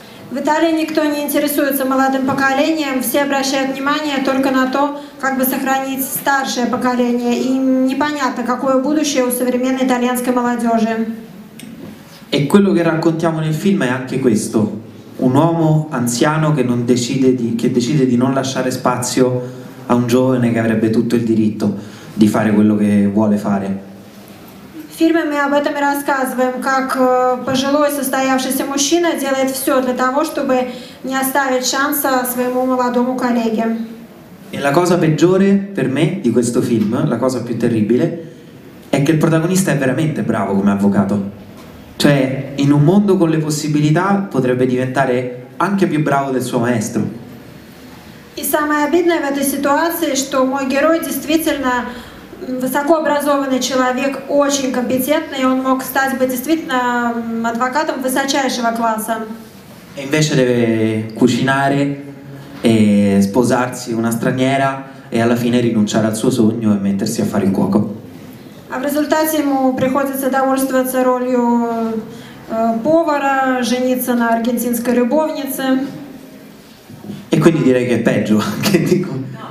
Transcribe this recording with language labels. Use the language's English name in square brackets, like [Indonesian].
[Russian] В Италии никто не интересуется молодым поколением, все обращают внимание только на то, как бы сохранить старшее поколение, и непонятно, какое будущее у современной итальянской молодежи. [Italian] E quello che raccontiamo nel film è anche questo: un uomo anziano che non decide di, che decide di non lasciare spazio a un giovane che avrebbe tutto il diritto di fare quello che vuole fare. [Russian] В фильме мы об этом и рассказываем, как пожилой состоявшийся мужчина делает все для того, чтобы не оставить шанса своему молодому коллеге. [Italian] E la cosa peggiore per me di questo film, la cosa più terribile, è che il protagonista è veramente bravo come avvocato. Cioè, in un mondo con le possibilità, potrebbe diventare anche più bravo del suo maestro. [Russian] И самое обидное в этой ситуации, что мой герой действительно высокообразованный человек, очень компетентный, и он мог стать бы действительно адвокатом высочайшего класса. [Italian] E invece deve cucinare e sposarsi una straniera e alla fine rinunciare al suo sogno e mettersi a fare il cuoco. [Russian] А в результате ему приходится довольствоваться ролью повара, жениться на аргентинской любовнице. [Italian] E quindi direi che è peggio anche di cui.